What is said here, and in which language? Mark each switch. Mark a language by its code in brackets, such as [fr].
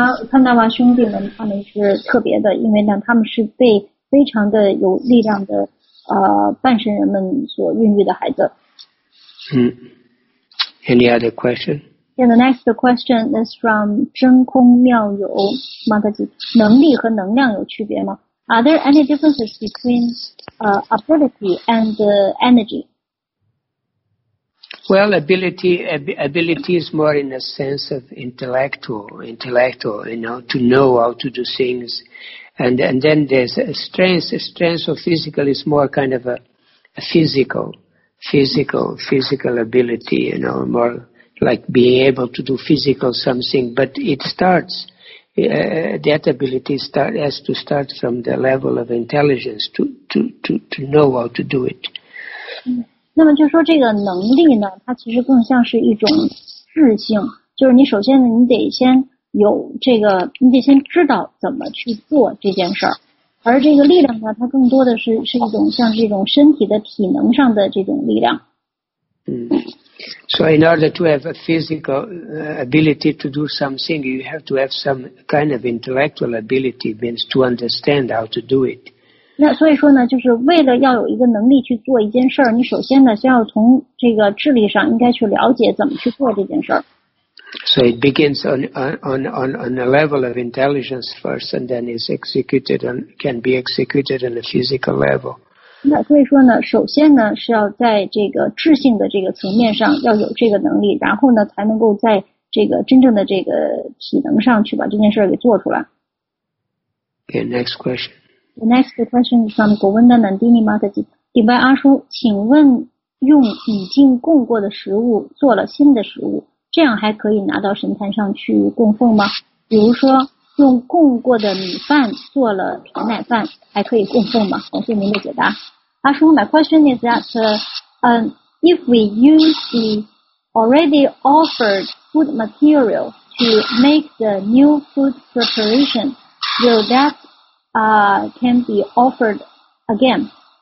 [zh] 潘达瓦兄弟们他们是特别的，因为呢他们是被非常的有力量的半神人们所孕育的孩子。 [en] Any other question? And the next question is from 真空妙有 Mataji. [zh] 能力和能量有区别吗？ [en] Are there any differences between ability and energy? Well, ability is more in a sense of intellectual, you know, to know how to do things. And then there's a strength of physical is more kind of a physical ability, you know, more like being able to do physical something. But it starts, that ability has to start from the level of intelligence to know how to do it. [zh] 那么就说这个能力呢，它其实更像是一种智性，就是你首先你得先有这个，你得先知道怎么去做这件事儿。而这个力量呢，它更多的是一种像是一种身体的体能上的这种力量。 [en] So in order to have a physical ability to do something, you have to have some kind of intellectual ability, means to understand how to do it. [zh] 那所以说呢，就是为了要有一个能力去做一件事儿，你首先呢，先要从这个智力上应该去了解怎么去做这件事儿。 [en] So it begins on a level of intelligence first, and then is executed and can be executed on a physical level. [zh] 那所以说呢，首先呢是要在这个智性的这个层面上要有这个能力，然后呢才能够在这个真正的这个体能上去把这件事儿给做出来。 [en] Okay, next question. The next question is from Govinda Nandini Mataji. [zh] 顶白阿叔，请问用已经供过的食物做了新的食物，这样还可以拿到神坛上去供奉吗？比如说用供过的米饭做了甜奶饭，还可以供奉吗？感谢您的解答。 [en] 阿叔 ，my question is that, if we use the already offered food material to make the new food preparation, will that can be offered again.